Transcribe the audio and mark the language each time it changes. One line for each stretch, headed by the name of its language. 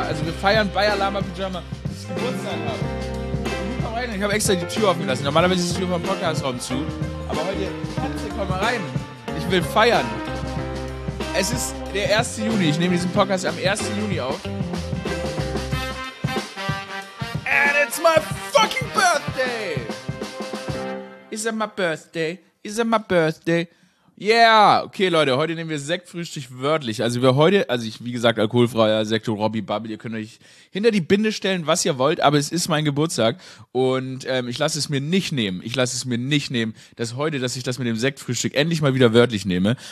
German: Also wir feiern bei Alama Pyjama, dass ich Geburtstag habe. Milou, komm rein, ich habe extra die Tür offen lassen. Normalerweise ist die Tür vom Podcastraum zu. Aber heute, Katze, komm mal rein. Ich will feiern. Es ist der 1. Juni. Ich nehme diesen Podcast am 1. Juni auf.
English: And it's my fucking birthday! Is it my birthday? Is it my birthday?
German: Yeah, okay Leute, heute nehmen wir Sektfrühstück wörtlich. Also wir heute, also ich, wie gesagt, alkoholfreier Sekt, Robby Bubble, ihr könnt euch hinter die Binde stellen, was ihr wollt, aber es ist mein Geburtstag und ich lasse es mir nicht nehmen, dass heute, dass ich das mit dem Sektfrühstück endlich mal wieder wörtlich nehme.